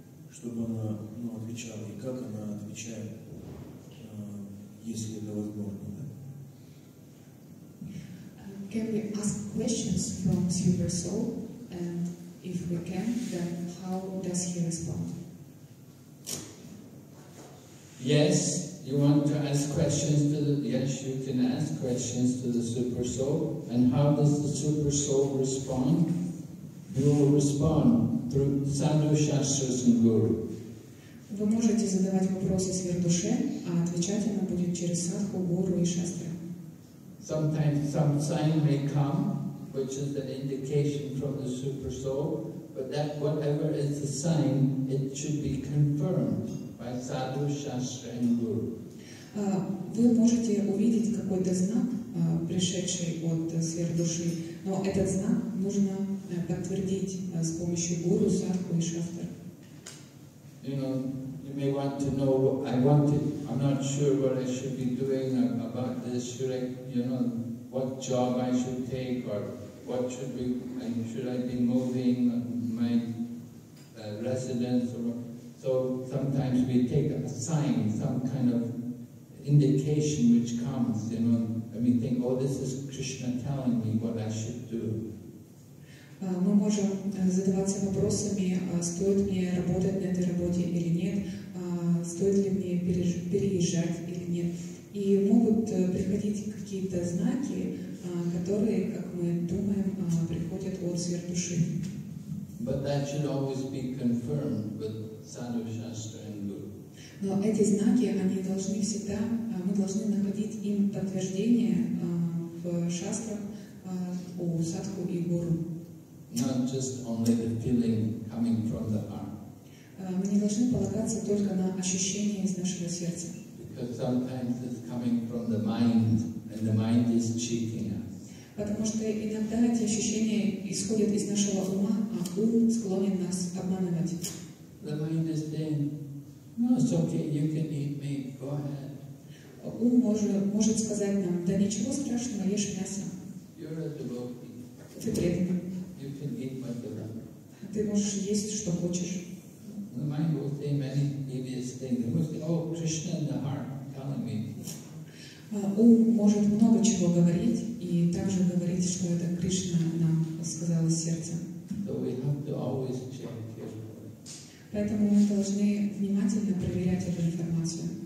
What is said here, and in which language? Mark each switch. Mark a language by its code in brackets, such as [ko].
[ru] чтобы она ну, отвечала, и как она отвечает, если это возможно, да? [en] Can we ask questions from Super Soul, and if we can, then how does he respond? Yes, you want to ask questions to the, yes, you can ask questions to the Super Soul, and how does the Super Soul respond? You will respond through Sadhu, Shastras and Guru. [ru] Вы можете задавать вопросы сверхдуше, а отвечать она будет через Садху, Гуру и Шастры. [en] Sometimes some sign may come, which is an indication from the Super Soul, but that whatever is the sign, it should be confirmed by Sadhu, Shastra and Guru. [ru] Вы можете увидеть какой-то знак, пришедший от сверхдуши, но этот знак нужно подтвердить с помощью Гуру, Садху и Шастры. [en] You know, you may want to know what I wanted. I'm not sure what I should be doing about this. Should I, you know, what job I should take or what should be, should I be moving my residence or what? So sometimes we take a sign, some kind of indication which comes, you know, and we think, oh, this is Krishna telling me what I should do. [ru] Мы можем задаваться вопросами, стоит мне работать на этой работе или нет, стоит ли мне переезжать или нет. И могут приходить какие-то знаки, которые, как мы думаем, приходят от сверхдуши. [en] But that should always be confirmed with Sadhu, Shastra and Guru. [ru] Но эти знаки, они должны всегда, мы должны находить им подтверждение в шастрах у Садху и Гуру. [en] Not just only the feeling coming from the heart. [ru] Мы не должны полагаться только на ощущения из нашего сердца. [en] Because sometimes it's coming from the mind, and the mind is cheating us. [ru] Потому что иногда эти ощущения исходят из нашего ума, а ум склонен нас обманывать. [en] The mind is saying, no, it's okay, you can eat meat, go ahead. [ru] Ум может сказать нам, да ничего страшного, ешь мясо. [en] You're a devotee. [ru] Ты преданный. [en] You can eat whatever. [ru] Ты можешь есть, что хочешь. [en] The mind will say many devious things. It will say, oh, Krishna in the heart telling me. [ru] Ум может много чего говорить и также говорить, что это Кришна нам сказала сердце. [en] So we have to always check carefully. [ru] Поэтому мы должны внимательно проверять эту информацию.